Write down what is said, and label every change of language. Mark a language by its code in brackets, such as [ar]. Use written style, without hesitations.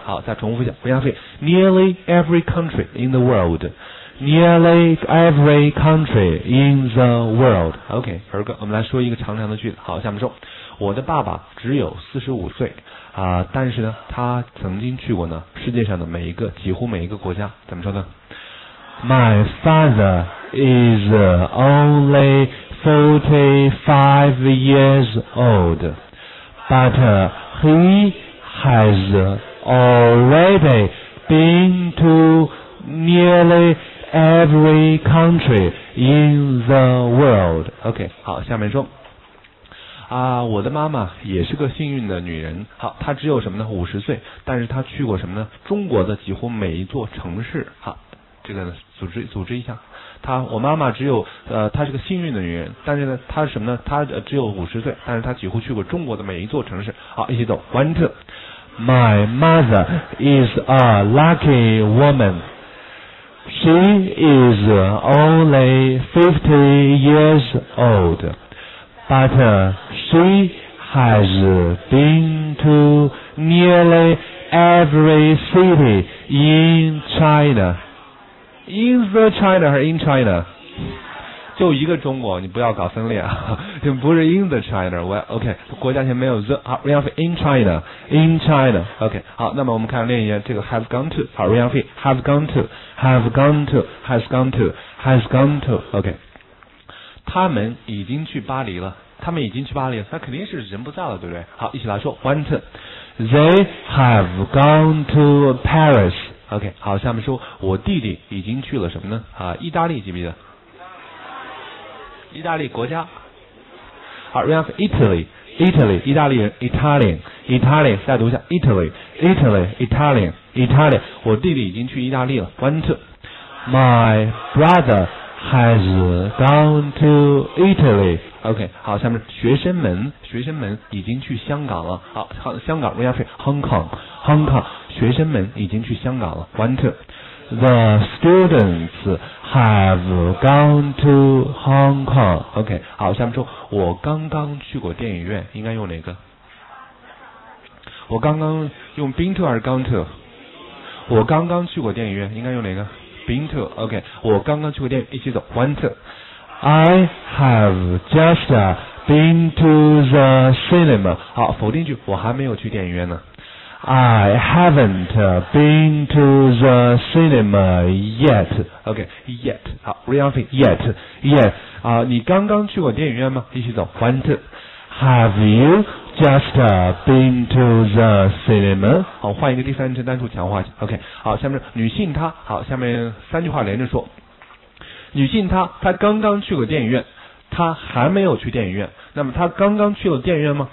[zh] 好，再重复一下，不浪费。 [en] Nearly every country in the world。 Nearly every country in the world。 [zh] OK， 儿哥，我们来说一个长长的句子。好，下面说，我的爸爸只有45岁啊，但是呢，他曾经去过呢世界上的每一个几乎每一个国家，怎么说呢？ [en] My father is only 45 years old, but he has already been to nearly every country in the world. [zh] OK, 好，下面说。啊，我的妈妈也是个幸运的女人。好，她只有什么呢？ 50岁，但是她去过什么呢？中国的几乎每一座城市。好。这个组织一下，我妈妈只有她是个幸运的女人，但是呢，她是什么呢？她只有50岁，但是她几乎去过中国的每一座城市。好，一起走 ， [en] one two。 My mother is a lucky woman. She is only 50 years old, but she has been to nearly every city in China. in the China [zh] 还是 [en] in China？ [zh] 就一个中国，你不要搞分裂啊！就不是 [en] in the China， well, OK， [zh] 国家前没有 [en] the， 好 ，Ryan Fei in China， in China， OK， 好， [zh] 那么我们看另一页，这个 [en] have gone to， 好 ，Ryan Fei have gone to， have gone to， has gone to， has gone to， OK， [zh] 他们已经去巴黎了。他们已经去巴黎了，他肯定是人不在了，对不对？好，一起来说 went， [en] they have gone to Paris。 [zh] OK， 好，下面说我弟弟已经去了什么呢？啊，意大利，记不记得？意大利国家。好 ， [en] we have Italy， [zh] 意大利人 ，Italian， 再读一下 ，Italy， 我弟弟已经去意大利了 ， [en] went， my brother。 Has gone to Italy. [zh] OK， 好，下面学生们已经去香港了。好，香港 ， [en] we have Hong Kong， [zh] 学生们已经去香港了。 [en] Went to the students have gone to Hong Kong. [zh] OK， 好，下面说，我刚刚去过电影院，应该用哪个？我刚刚用 [en] been to [zh] 还是 [en] gone to？ [zh] 我刚刚去过电影院，应该用哪个？ [en] Been to, OK. [zh] 我刚刚去过电影，一起走。 [en] Went to. I have just been to the cinema. [zh] 好，否定句，我还没有去电影院呢。 [en] I haven't been to the cinema yet. OK, yet. [zh] 好 [en] ，reaffirm yet, yet. [zh] 啊，你刚刚去过电影院吗？一起走。 [en] Went to. Have you just been to the cinema? [zh] 好，换一个第三人称单数强化一下。OK， 好，下面女性她，好，下面三句话连着说。女性她刚刚去过电影院，她还没有去电影院。那么她刚刚去了电影院吗？